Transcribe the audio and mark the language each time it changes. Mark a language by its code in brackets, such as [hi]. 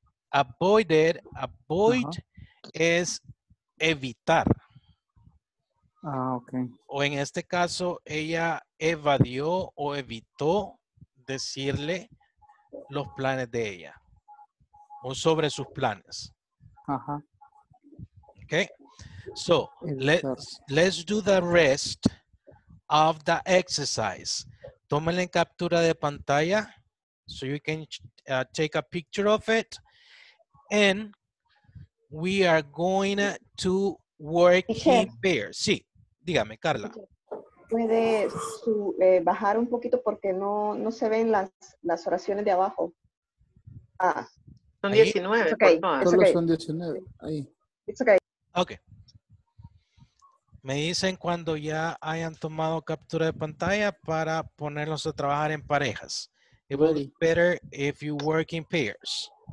[es] Avoided, avoid es evitar. Ah, ok. O en este caso, ella evadió o evitó decirle los planes de ella. O sobre sus planes. Ajá. Ok. [en] So, let's do the rest of the exercise. [es] Tómenle captura de pantalla [en] so you can take a picture of it. And we are going to work in pairs. [es] Sí, dígame, Carla. ¿Puede bajar un poquito porque no se ven las oraciones de abajo? Ah. Son 19. [en] It's okay. [es] Solo son 19. Ahí. [en] It's okay. Okay. [es] Me dicen cuando ya hayan tomado captura de pantalla para ponerlos a trabajar en parejas. [en] It would be better if you work in pairs.